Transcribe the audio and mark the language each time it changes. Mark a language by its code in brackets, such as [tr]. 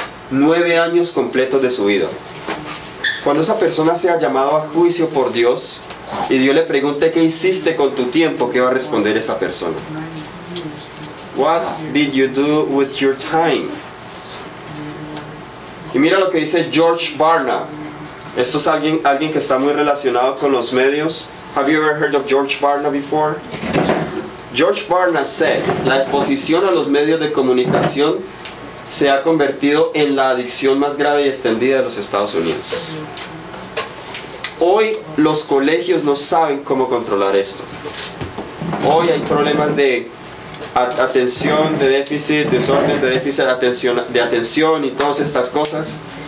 [es] 9 años completos de su vida. Cuando esa persona sea llamada a juicio por Dios y Dios le pregunte qué hiciste con tu tiempo, ¿qué va a responder esa persona? [en] What did you do with your time? [es] Y mira lo que dice George Barna. Esto es alguien que está muy relacionado con los medios. [en] Have you ever heard of George Barna before? [es] George Barna says, la exposición a los medios de comunicación se ha convertido en la adicción más grave y extendida de los Estados Unidos. Hoy los colegios no saben cómo controlar esto. Hoy hay problemas de atención, de déficit, desorden de déficit de atención y todas estas cosas.